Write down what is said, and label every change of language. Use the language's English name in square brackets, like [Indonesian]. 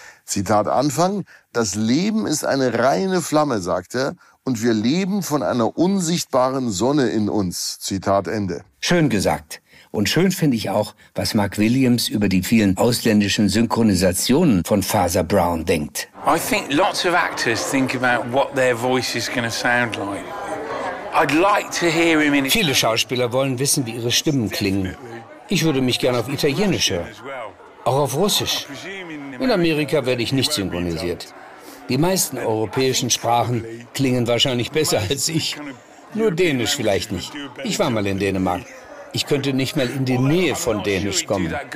[German] Zitat Anfang: "Das Leben ist eine reine Flamme", sagt er, "und wir leben von einer unsichtbaren Sonne in uns." Zitat Ende. Schön gesagt. Und schön finde ich auch, was Mark Williams über die vielen ausländischen Synchronisationen von Father Brown denkt. [English] I think lots of actors think about what their voice is going to sound like. I'd like to hear him in... [German] Viele Schauspieler wollen wissen, wie ihre Stimmen klingen. Ich würde mich gerne auf Italienisch hören. Auch auf Russisch. In Amerika werde ich nicht synchronisiert. Die meisten europäischen Sprachen klingen wahrscheinlich besser als ich. Nur Dänisch vielleicht nicht. Ich war mal in Dänemark. Ich könnte nicht mal in die Nähe von Dänisch kommen.